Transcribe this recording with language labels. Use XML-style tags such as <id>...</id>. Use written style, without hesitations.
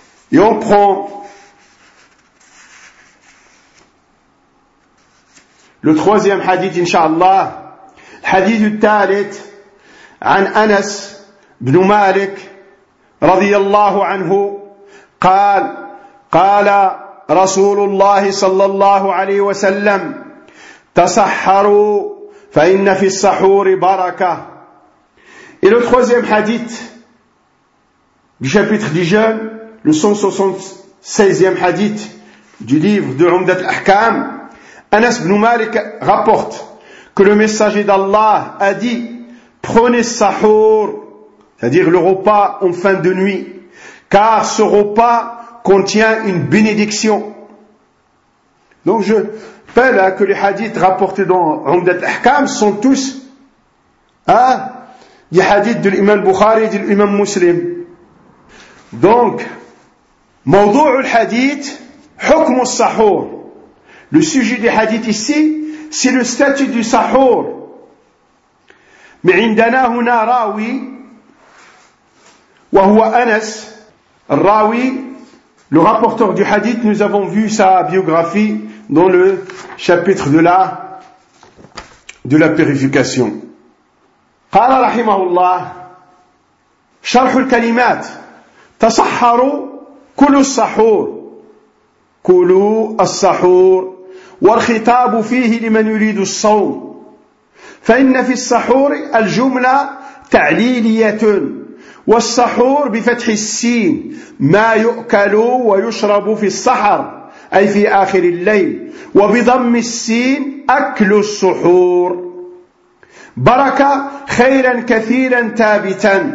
<fr>Et on prend le troisième hadith, inshallah, le hadith al-Talit,</fr> <ar>عن أنس بن مالك رضي الله عنه قال قال رسول الله صلى الله عليه وسلم تسحروا فإن في السحور بركة.</ar> <fr>Et le troisième hadith du chapitre du jeûne, le 176e hadith du livre de Umdat al-Ahkam, Anas ibn Malik rapporte que le messager d'Allah a dit: prenez sahour, c'est-à-dire le repas en fin de nuit, car ce repas contient une bénédiction. Donc je rappelle que les hadiths rapportés dans Umdat al-Ahkam sont tous des hadiths de l'imam Bukhari et de l'imam Muslim.</fr> <ar>Donc, mawdou' al-hadith, hukm al-sahour.</ar> <fr>Le sujet des hadiths ici, c'est le statut du sahour.</fr> <ar>عندنا هنا راوي وهو أنس الراوي</ar> <fr>le rapporteur du hadith, nous avons vu sa biographie dans le chapitre de la de la purification.</fr> <ar>قال رحمه الله شرح الكلمات تصحروا كلوا السحور كلوا السحور والخطاب فيه لمن يريد الصوم فإن في السحور الجملة تعليلية والسحور بفتح السين ما يؤكل ويشرب في السحر أي في آخر الليل وبضم السين أكل السحور بركة خيرا كثيرا ثابتا.</ar>